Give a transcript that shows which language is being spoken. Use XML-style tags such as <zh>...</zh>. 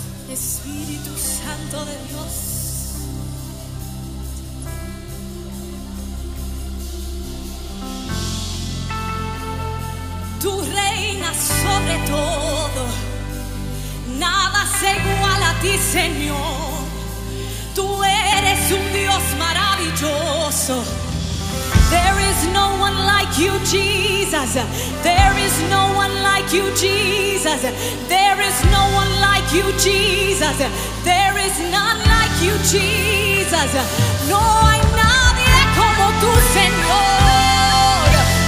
<es>Espíritu Santo de Dios, tú reinas sobre todo, nada se iguala a ti, Señor. Tú eres un Dios maravilloso.</es> <en>There is no one like you, Jesus. There is no one like you, Jesus. There is no one like you, Jesus. There is none like you, Jesus.</en> <es>No hay nadie como tú, Señor.</es>